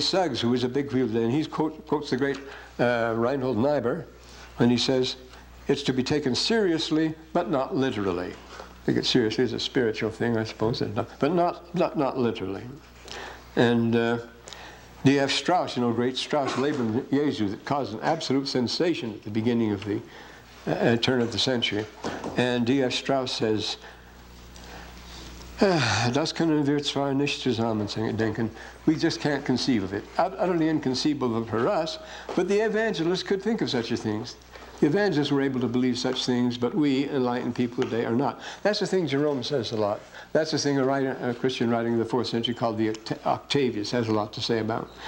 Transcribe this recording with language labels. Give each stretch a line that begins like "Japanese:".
English: Suggs, who is a big believer, and he quotes the great Reinhold Niebuhr when he says, it's to be taken seriously, but not literally. Take it seriously as a spiritual thing, I suppose, but not literally. And D.F. Strauss, you know, great Strauss, Leben Jesu, that caused an absolute sensation at the beginning of the turn of the century. And D.F. Strauss says,
German: das können wir zwar nicht zusammendenken.
English: We just can't conceive of it. Utterly inconceivable for us, but the evangelists could think of such a thing. The evangelists were able to believe such things, but we, enlightened people today, are not. That's the thing Jerome says a lot. That's the thing a Christian writing of the 4th century called the Octavius has a lot to say about.